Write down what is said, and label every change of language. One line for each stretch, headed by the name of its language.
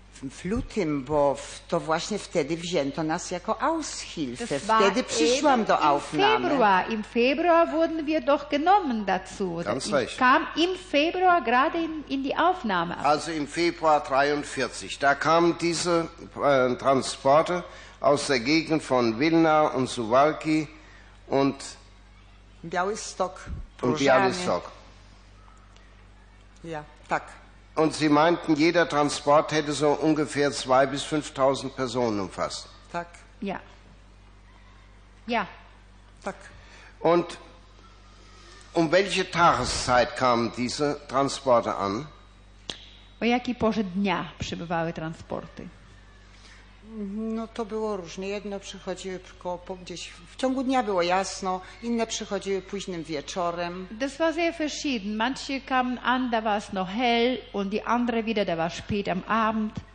Polish: W lutym, bo to właśnie wtedy wzięto nas jako Aushilfe. Wtedy przyszłam do Aufnahme.
German: Im Februar wurden wir doch genommen dazu. Ganz recht. Ich kam im Februar gerade in die Aufnahme. Also im Februar 43. Da kamen diese Transporte aus der Gegend von Vilna und Suwalki und Białystok. Und Białystok.
Polish: Ja, tak.
German: Und Sie meinten, jeder Transport hätte so ungefähr 2.000 bis 5.000 Personen umfasst.
Polish: Tak.
German: Ja. Ja.
Polish: Tak.
German: Und um welche Tageszeit kamen diese Transporte an?
Polish: O jakiej porze dnia przybywały transporty? No to było różne. Jedne przychodziły gdzieś w ciągu dnia było jasno, inne przychodziły późnym wieczorem.
German: Das war sehr verschieden. Manche kamen an, da war es noch hell und die andere wieder, da war spät am Abend.